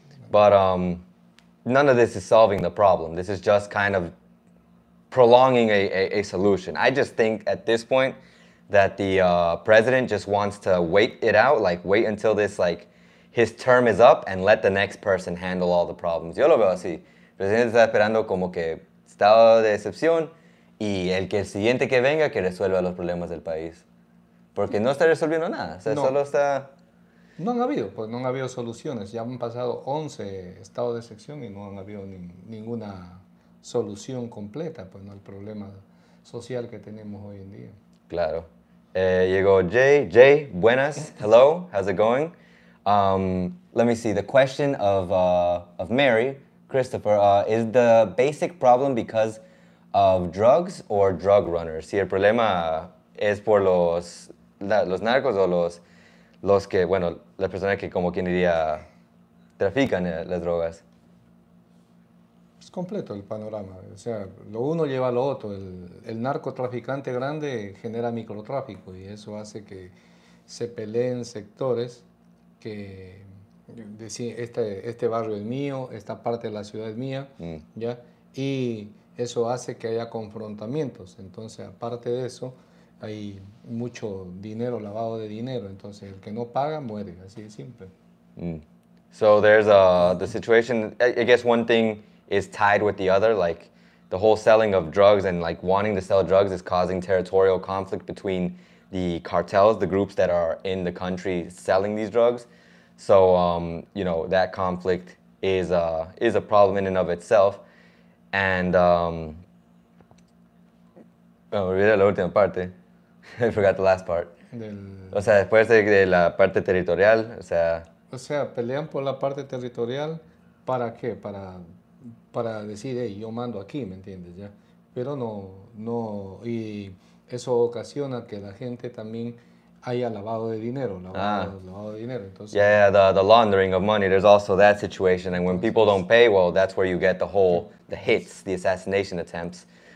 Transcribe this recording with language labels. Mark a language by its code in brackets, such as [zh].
[en] But none of this is solving the problem. This is just kind of prolonging a solution. I just think at this point that the president just wants to wait it out, like wait until this, like, his term is up and let the next person handle all the problems. [es] Yo lo veo así. El presidente está esperando como que estado de excepción y el que el siguiente que venga que resuelva los problemas del país. Porque no está resolviendo nada. O sea, no. Solo está... No han habido, pues no han habido soluciones. Ya han pasado 11 estados de excepción y no han habido ninguna solución completa, pues no, al problema social que tenemos hoy en día. Claro. Llegó Jay. Jay, buenas. [en] Hello, how's it going? Let me see. The question of Mary, Christopher, is the basic problem because of drugs or drug runners? [es] Si el problema es por los narcos o los que, bueno, las personas que, como quien diría, trafican las drogas. Es completo el panorama. O sea, lo uno lleva a lo otro. El narcotraficante grande genera microtráfico y eso hace que se peleen sectores que, este barrio es mío, esta parte de la ciudad es mía, ¿ya? Y eso hace que haya confrontamientos. Entonces, aparte de eso, hay mucho dinero, lavado de dinero. Entonces, el que no paga, muere. Así de simple. Mm. [en] So there's the situation, I guess one thing is tied with the other, like the whole selling of drugs and like wanting to sell drugs is causing territorial conflict between the cartels, the groups that are in the country selling these drugs. So, you know, that conflict is a problem in and of itself. And, [es] olvidé la última parte. [en] I forgot the last part. [es] O sea, después de la parte territorial, o sea... O sea, pelean por la parte territorial, ¿para qué? Para decir, hey, yo mando aquí, ¿me entiendes? ¿Ya? Pero no, y eso ocasiona que la gente también haya lavado de dinero, lavado de dinero. Entonces, [en] yeah, the laundering of money, there's also that situation, and when people don't pay, well, that's where you get the hits, the assassination attempts.